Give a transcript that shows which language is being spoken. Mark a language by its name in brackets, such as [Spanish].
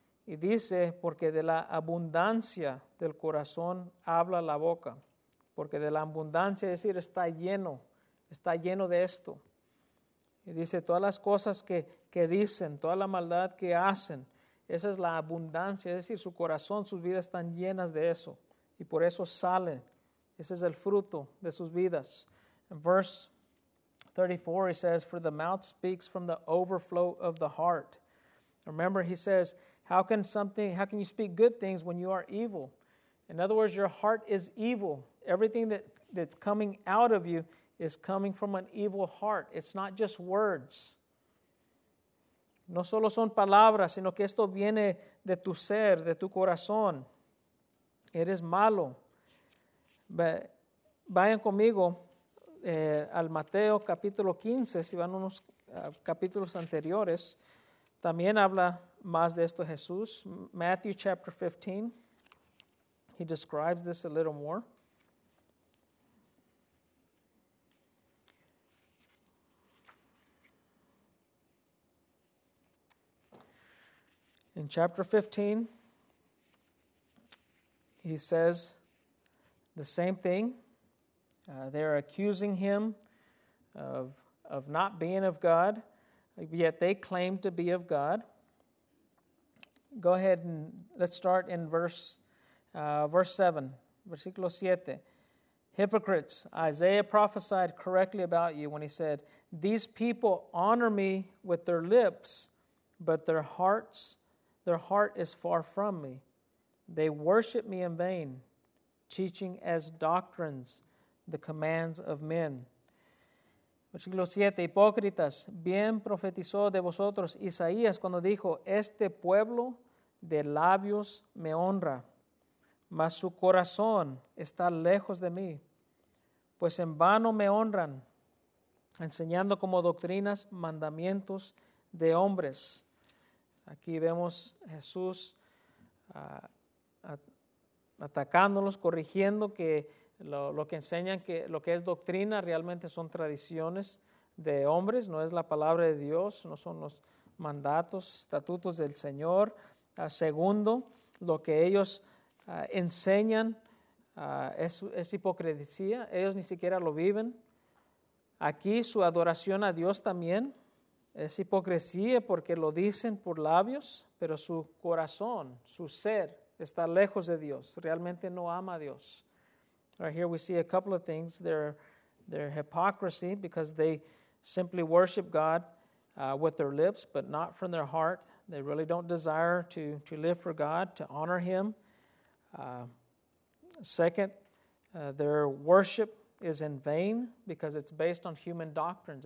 [Spanish] Y dice, porque de la abundancia del corazón habla la boca, porque de la abundancia, es decir, está lleno de esto. Y dice, todas las cosas que dicen, toda la maldad que hacen, esa es la abundancia, es decir, su corazón, sus vidas están llenas de eso. Y por eso salen, ese es el fruto de sus vidas. [English] En verse 34, he says, for the mouth speaks from the overflow of the heart. Remember, he says, how can you speak good things when you are evil? In other words, your heart is evil. Everything that's coming out of you is coming from an evil heart. It's not just words. [Spanish] No solo son palabras, sino que esto viene de tu ser, de tu corazón. Eres malo. Vayan conmigo al Mateo capítulo 15, si van unos capítulos anteriores. También habla más de esto Jesús. [English] Matthew chapter 15. He describes this a little more. In chapter 15, he says the same thing. They're accusing him of not being of God, yet they claim to be of God. Go ahead and let's start in verse 7, [Spanish] versículo 7. [English] Hypocrites, Isaiah prophesied correctly about you when he said, these people honor me with their lips, but their heart is far from me. They worship me in vain, teaching as doctrines the commands of men. [Spanish] Versículo 7, hipócritas, bien profetizó de vosotros Isaías cuando dijo, este pueblo de labios me honra, mas su corazón está lejos de mí, pues en vano me honran, enseñando como doctrinas mandamientos de hombres. Aquí vemos Jesús atacándolos, corrigiendo que lo que enseñan, que lo que es doctrina realmente son tradiciones de hombres, no es la palabra de Dios, no son los mandatos, estatutos del Señor. Segundo, lo que ellos enseñan es hipocresía, ellos ni siquiera lo viven. Aquí su adoración a Dios también. Es hipocresía porque lo dicen por labios, pero su corazón, su ser, está lejos de Dios. Realmente no ama a Dios. [English] Right here we see a couple of things. Their hypocrisy, because they simply worship God with their lips, but not from their heart. They really don't desire to live for God, to honor Him. Second, their worship is in vain because it's based on human doctrines.